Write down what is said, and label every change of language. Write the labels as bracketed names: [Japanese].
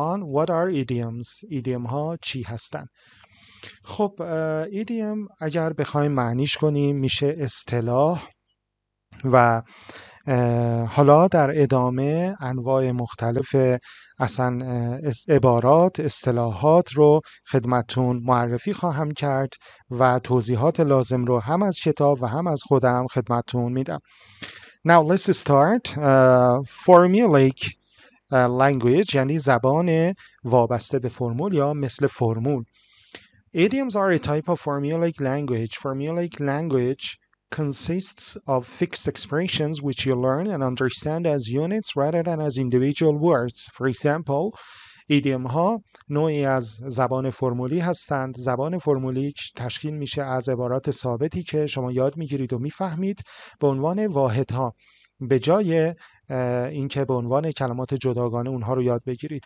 [English] What are idioms؟ [Persian] ایدیوم ها چی هستن؟ خب ایدیوم اگر بخوایم معنیش کنیم میشه اصطلاح، و حالا در ادامه انواع مختلف اصلا عبارات اصطلاحات رو خدمتون معرفی خواهم کرد و توضیحات لازم رو هم از کتاب و هم از خودم خدمتون میدم. [English] Now let's start. [Persian] Formulaic language یعنی زبان وابسته به فرمول یا مثل فرمول. [English] Idioms are a type of formulaic language. Formulaic language consists of fixed expressions which you learn and understand as units rather than as individual words. For example, [Persian] idiom ها نوعی از زبان فرمولی هستند. زبان فرمولی تشکیل میشه از عبارات ثابتی که شما یاد میگیرید و میفهمید به عنوان واحد ها، به جای اینکه به عنوان کلمات جداگانه اونها رو یاد بگیرید.